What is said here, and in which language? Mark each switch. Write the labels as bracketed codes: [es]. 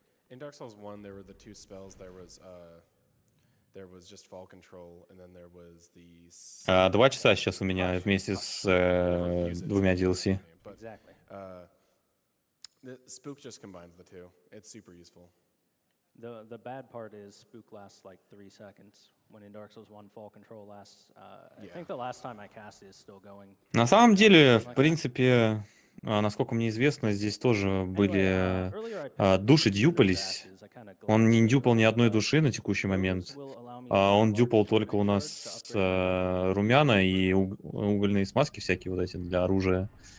[en] In Dark Souls 1, there were the two spells, there was just fall control, and then there was the... [ru] Два часа сейчас у меня вместе с двумя DLC. [en] The spook just combines the two. It's super useful. The bad part is spook lasts like 3 seconds. When in Dark Souls 1 fall control lasts, yeah. I think the last time I cast it is still going. [ru] На самом деле, в принципе, насколько мне известно, здесь тоже были души дюпались. Он не дюпал ни одной души на текущий момент. Он дюпал только у нас румяна и угольные смазки всякие вот эти для оружия.